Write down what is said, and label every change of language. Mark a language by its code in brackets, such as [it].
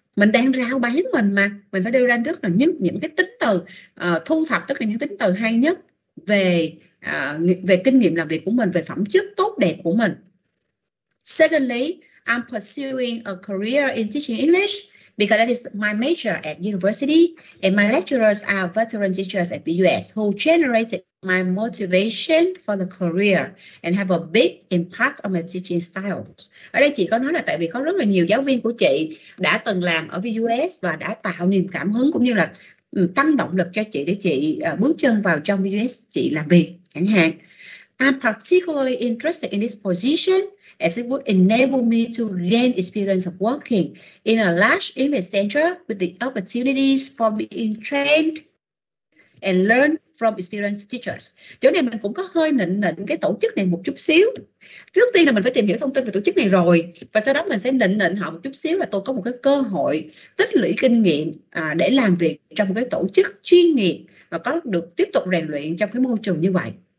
[vi] Mình đang rao bán mình mà, mình phải đưa ra rất là những cái tính từ, thu thập tất cả những tính từ hay nhất về về kinh nghiệm làm việc của mình, về phẩm chất tốt đẹp của mình. [en] Secondly, I'm pursuing a career in teaching English because that is my major at university and my lecturers are veteran teachers at the US who generated my motivation for the career and have a big impact on my teaching styles. [vi] Ở đây chị có nói là tại vì có rất là nhiều giáo viên của chị đã từng làm ở VUS và đã tạo niềm cảm hứng cũng như là tăng động lực cho chị để chị bước chân vào trong VUS chị làm việc chẳng hạn. [en] I'm particularly interested in this position as it would enable me to gain experience of working in a large English center with the opportunities for being trained and learn from experienced teachers. [vi] Chỗ này mình cũng có hơi nịnh nịnh cái tổ chức này một chút xíu. Trước tiên là mình phải tìm hiểu thông tin về tổ chức này rồi và sau đó mình sẽ nịnh nịnh họ một chút xíu là tôi có một cái cơ hội tích lũy kinh nghiệm để làm việc trong một cái tổ chức chuyên nghiệp và có được tiếp tục rèn luyện trong cái môi trường như vậy.